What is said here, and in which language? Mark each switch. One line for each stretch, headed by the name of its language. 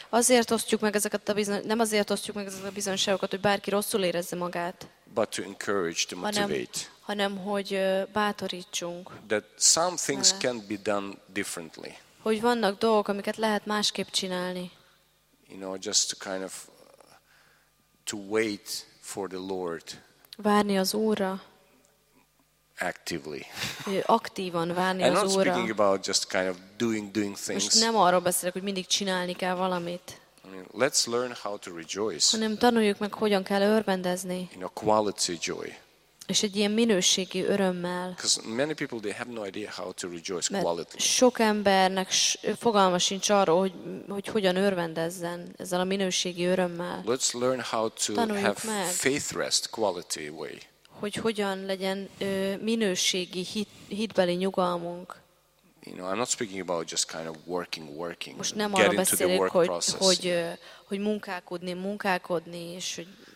Hungarian: Azért osztjuk meg ezeket a nem azért osztjuk meg ezeket a bizonyságokat, hogy bárki rosszul érezze magát.
English: But to encourage, to motivate.
Hungarian: Hanem hogy bátorítsunk.
English: That some things can be done differently.
Hungarian: Hogy vannak dolgok, amiket lehet másképp csinálni.
English: You know, just to kind of to wait for the Lord.
Hungarian: Várni az Úrra.
English: Actively.
Hungarian: Aktívan várni az Úrra.
English: I'm not speaking about just kind of doing things.
Hungarian: Most nem arról beszélek, hogy mindig csinálni kell valamit.
English: Let's learn how to rejoice.
Hungarian: Hanem tanuljuk meg, hogyan kell örvendezni.
English: In a quality joy.
Hungarian: És egy ilyen minőségi örömmel.
English: Because many people they have no idea how to rejoice quality.
Hungarian: Sok embernek fogalma sincs arról, hogy hogyan örvendezzen ezzel a minőségi örömmel.
English: Let's learn how to
Hungarian: tanuljuk
English: have
Hungarian: meg.
English: Faith rest quality way.
Hungarian: Hogy hogyan legyen minőségi hitbeli nyugalmunk.
English: You know, I'm not speaking about just kind of working.
Hungarian: Most nem arról beszélek, hogy munkálkodni, és hogy